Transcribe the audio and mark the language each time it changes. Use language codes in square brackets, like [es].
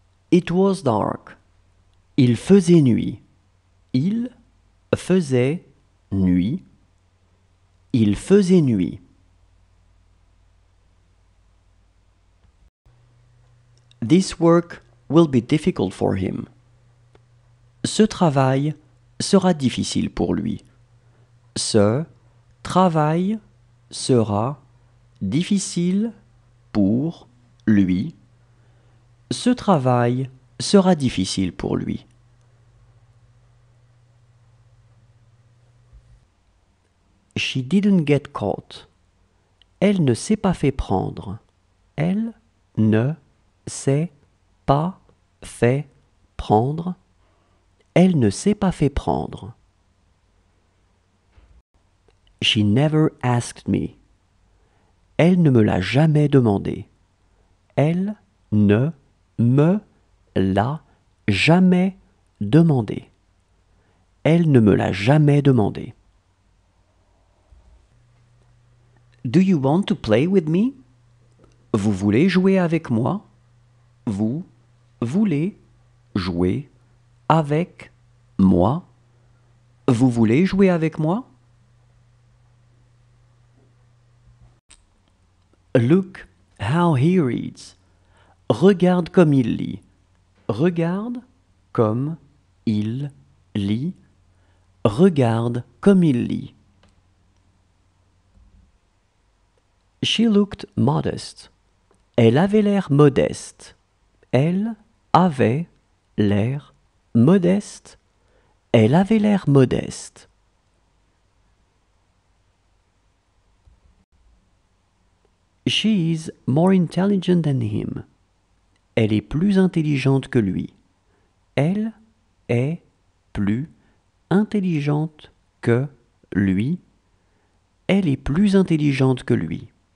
[en] It was dark. [fr] Il faisait nuit. Il faisait nuit. Il faisait nuit. [en] This work will be difficult for him. [fr] Ce travail sera difficile pour lui. Ce travail sera difficile pour lui. Ce travail sera difficile pour lui. [en] She didn't get caught. [fr] Elle ne s'est pas fait prendre. Elle ne s'est pas fait prendre. Elle ne s'est pas fait prendre. [en] She never asked me. [fr] Elle ne me l'a jamais demandé. Elle ne me l'a jamais demandé. Elle ne me l'a jamais demandé. [en] Do you want to play with me? [fr] Vous voulez jouer avec moi? Vous voulez jouer avec moi? Vous voulez jouer avec moi? [en] Look how he reads. [fr] Regarde comme il lit. Regarde comme il lit. Regarde comme il lit. [en] She looked modest. [fr] Elle avait l'air modeste. Elle avait l'air modeste. Elle avait l'air modeste. [en] She is more intelligent than him. [fr] Elle est plus intelligente que lui. Elle est plus intelligente que lui. Elle est plus intelligente que lui.